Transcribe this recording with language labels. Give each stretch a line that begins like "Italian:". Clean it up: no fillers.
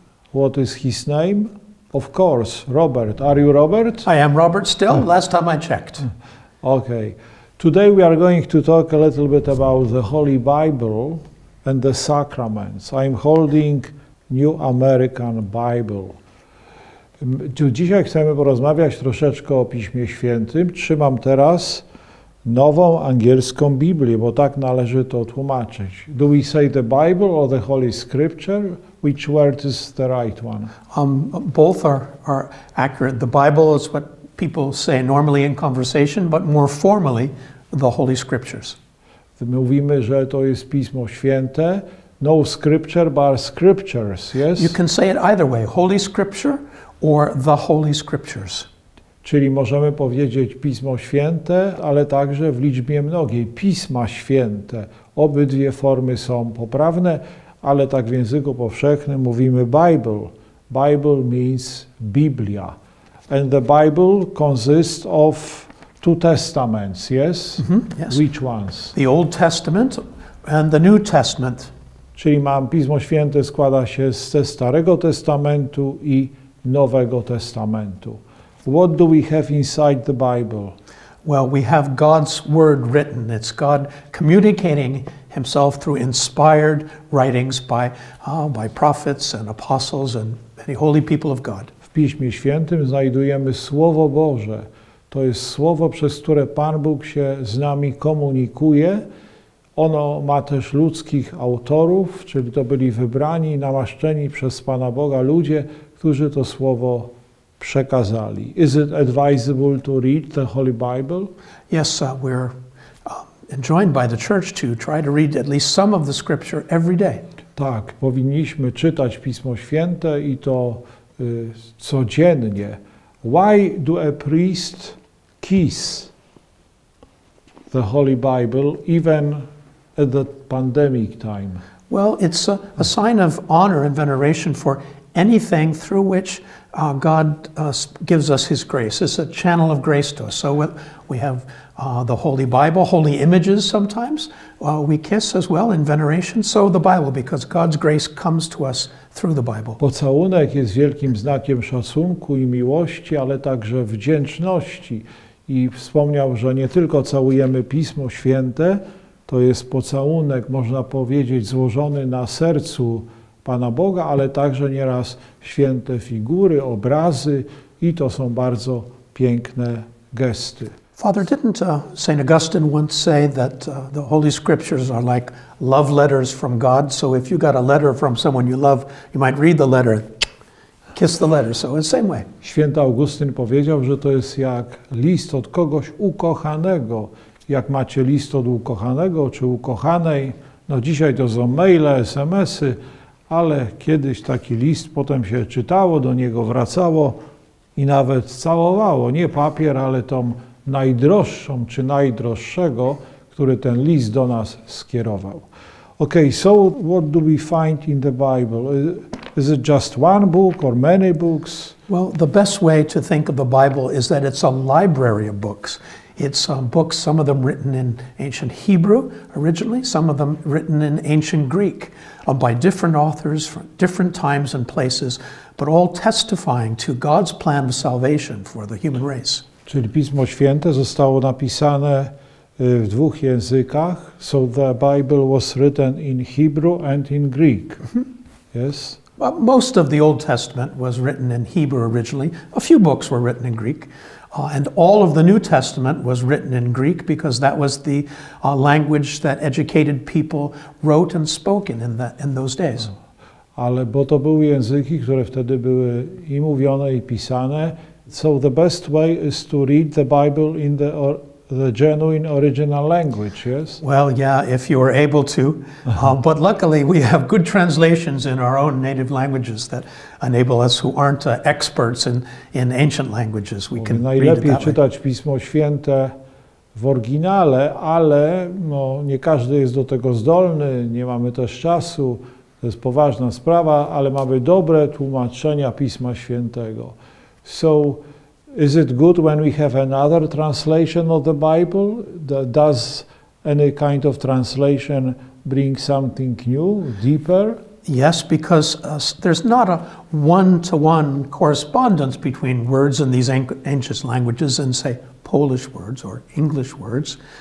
English: What is his name? Of course, Robert. Are you Robert? I am Robert still, last time I checked. Okay. Today we are going to talk a little bit about the Holy Bible and the sacraments. I'm holding New American Bible.
Polish: Dzisiaj chcemy porozmawiać troszeczkę o Piśmie Świętym. Trzymam teraz nową angielską Biblię, bo tak należy to tłumaczyć.
English: Do we say the Bible or the Holy Scripture? Which word is the right one? Both are accurate. The Bible is what people say normally in conversation, but more formally, the Holy Scriptures.
Polish: Mówimy, że to jest Pismo Święte.
English: No scripture, but scriptures, yes? You can say it either way, Holy Scripture or the Holy Scriptures.
Polish: Czyli możemy powiedzieć Pismo Święte, ale także w liczbie mnogiej, Pisma Święte. Obydwie formy są poprawne, ale tak w języku powszechnym mówimy Bible.
English: Bible means Biblia. And the Bible consists of two testaments, yes? Mm-hmm, yes? Which ones? The Old Testament and the New Testament.
Polish: Czyli mam Pismo Święte składa się ze Starego Testamentu i Nowego Testamentu.
English: What do we have inside the Bible? Well, we have God's Word written. It's God communicating Himself through inspired writings by prophets and apostles and many holy people of God.
Polish: W Piśmie Świętym znajdujemy Słowo Boże. To jest Słowo, przez które Pan Bóg się z nami komunikuje. Ono ma też ludzkich autorów, czyli to byli wybrani, namaszczeni przez Pana Boga ludzie, którzy to Słowo przekazali.
English: Is it advisable to read the Holy Bible? Yes, we're enjoined by the church to try to read at least some of the scripture every day.
Polish: Tak, powinniśmy czytać Pismo Święte i to codziennie.
English: Why do a priest kiss the Holy Bible even at the pandemic time? Well, it's a sign of honor and veneration for anything through which God gives us His grace. It's a channel of grace to us. So we have the Holy Bible, holy images sometimes. We kiss as well in veneration. So the Bible, because God's grace comes to us through the Bible.
Polish: Pocałunek jest wielkim znakiem szacunku i miłości, ale także wdzięczności. I wspomniał, że nie tylko całujemy Pismo Święte, to jest pocałunek, można powiedzieć, złożony na sercu Pana Boga, ale także nieraz święte figury, obrazy i to są bardzo piękne gesty.
English: Father, didn't St. Augustine once say that the Holy Scriptures are like love letters from God? So if you got a letter from someone you love, you might read the letter, kiss the letter. So in the same way.
Polish: Święty Augustyn powiedział, że to jest jak list od kogoś ukochanego. Jak macie list od ukochanego czy ukochanej, no dzisiaj to są maile, SMS-y, ale kiedyś taki list potem się czytało, do niego wracało i nawet całowało. Nie papier, ale tą najdroższą czy najdroższego, który ten list do nas skierował.
English: Okay, so what do we find in the Bible? Is it just one book or many books? Well, the best way to think of the Bible is that it's a library of books. It's books, some of them written in ancient Hebrew originally, some of them written in ancient Greek, by different authors from different times and places, but all testifying to God's plan of salvation for the human race.
Polish: Czyli Pismo Święte zostało napisane w dwóch językach.
English: So the Bible was written in Hebrew and in Greek. Mm-hmm. Yes? Well, most of the Old Testament was written in Hebrew originally. A few books were written in Greek. And all of the New Testament was written in Greek because that was the language that educated people wrote and spoke in those days.
Polish: Ale bo to były języki, które wtedy były i mówione i pisane.
English: So the best way is to read the Bible in the genuine original language, yes? Well, yeah, if you are able to. but luckily we have good translations in our own native languages that enable us who aren't experts in ancient languages. We can read it that way.
Polish: Najlepiej czytać Pismo Święte w oryginale, ale no, nie każdy jest do tego zdolny, nie mamy też czasu, to jest poważna sprawa, ale mamy dobre tłumaczenia Pisma Świętego.
English: So, is it good when we have another translation of the Bible? Does any kind of translation bring something new, deeper? Yes, because there's not a one-to-one correspondence between words in these ancient languages and, say, Polish words or English words.